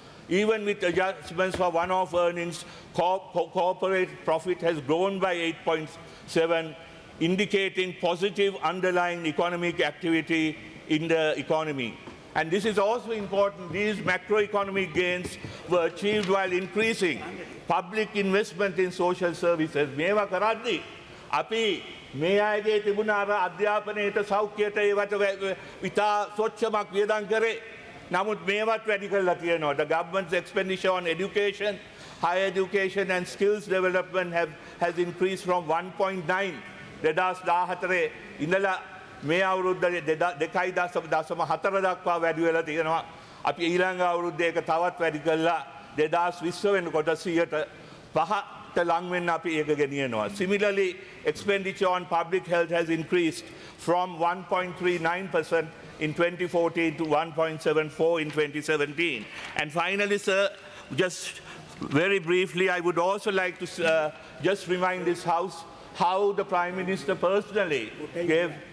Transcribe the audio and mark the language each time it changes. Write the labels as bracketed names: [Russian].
[English] Even with adjustments for one-off earnings, corporate profit has grown by 8.7, indicating positive underlying economic activity in the economy. And this is also important. These macroeconomic gains were achieved while increasing public investment in social services. [Sinhala] මේවා කරද්දී අපි මේ අයගේ තිබුණ අර අධ්‍යාපනයට සෞඛ්‍යයට ඒවට විතා සොච්චමක් වියදම් කරේ. නමුත් මේවත් වැඩි කරලා තියෙනවා. [English] The government's expenditure on education, higher education and skills development has increased from 1.9 2014 [Sinhala] ඉඳලා මේ අවුරුද්ද 2.4 දක්වා වැඩි වෙලා තියෙනවා. අපි ඊළඟ අවුරුද්දේ ඒක තවත් වැඩි කරලා 2020 වෙනකොට 105% ලං වෙන්න අපි ඒක ගෙනියනවා. [English] Similarly, expenditure on public health has increased from 1.39% in 2014 to 1.74% in 2017. And finally, sir, just very briefly, I would also like to just remind this house how the Prime Minister personally gave